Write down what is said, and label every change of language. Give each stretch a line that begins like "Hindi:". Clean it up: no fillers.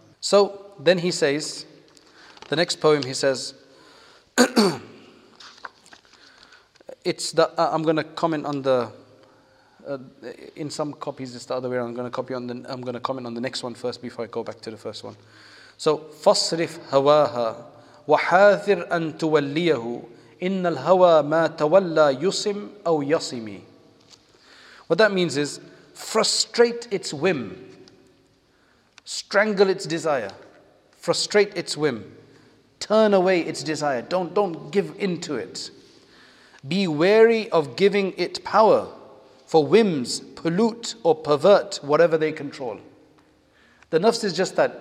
English: So then he says, the next poem he says, I'm going to comment on the, in some copies it's the other way, I'm going to comment on the next one first before I go back to the first one. So,
Arabic: فَصْرِفْ هَوَاهَا وَحَاذِرْ أَن تُوَلِّيَهُ إِنَّ الْهَوَى مَا تَوَلَّى يُصِمْ أَوْ يَصِمِي.
English: What that means is, frustrate its whim, strangle its desire, frustrate its whim, turn away its desire, don't give in to it. Be wary of giving it power, for whims pollute or pervert whatever they control. The nafs is just that.